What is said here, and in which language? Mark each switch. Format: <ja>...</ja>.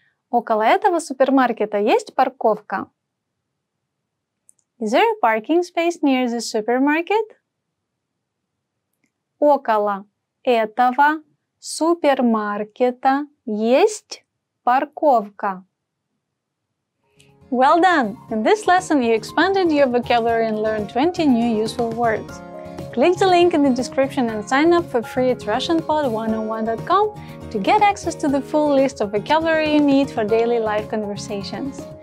<ru>Около этого супермаркета есть парковка.</ru> <en>Is there a parking space near the supermarket?</en> <ru>Около этого супермаркета есть парковка.</ru> <en>Well done! In this lesson, you expanded your vocabulary and learned 20 new useful words. Click the link in the description and sign up for free at RussianPod101.com to get access to the full list of vocabulary you need for daily life conversations.</en>